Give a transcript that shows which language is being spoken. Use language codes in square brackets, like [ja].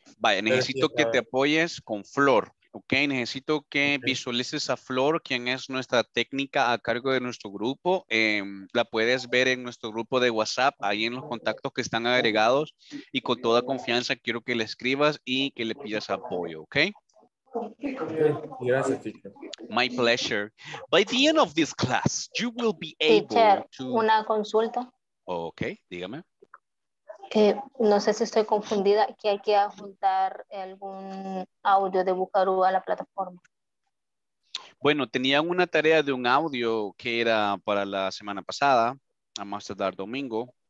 [es] Vaya, pero necesito sí, que te apoyes con Flor, ¿ok? Necesito que visualices a Flor, quien es nuestra técnica a cargo de nuestro grupo. La puedes ver en nuestro grupo de WhatsApp, ahí en los contactos que están agregados. Y con toda confianza quiero que le escribas y que le pidas apoyo, ¿ok? Gracias, teacher. [en] My pleasure. By the end of this class, you will be able to... [es] una consulta. Ok, dígame. No sé si estoy confundida, que hay que adjuntar algún audio de Bucaru a la plataforma. Bueno, tenían una tarea de un audio que era para la semana pasada, a más tardar domingo.